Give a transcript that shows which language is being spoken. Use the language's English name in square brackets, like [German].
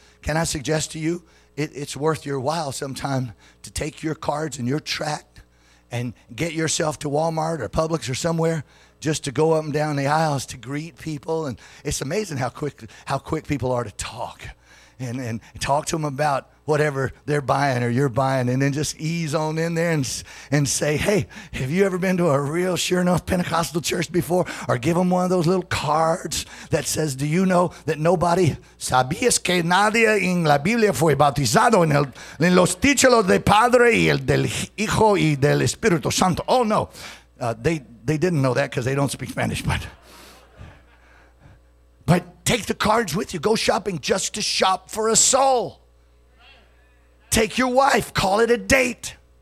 [English] Can I suggest to you, it's worth your while sometime to take your cards and your tract and get yourself to Walmart or Publix or somewhere just to go up and down the aisles to greet people. And it's amazing how quick people are to talk and talk to them about whatever they're buying or you're buying and then just ease on in there and say, hey, have you ever been to a real sure enough Pentecostal church before? Or give them one of those little cards that says, do you know that nobody, [Spanish] sabías que nadie en la Biblia fue bautizado en los títulos de Padre y el del Hijo y del Espíritu Santo? [English] Oh, no. They didn't know that because they don't speak Spanish, but take the cards with you. Go shopping just to shop for a soul. Take your wife, call it a date.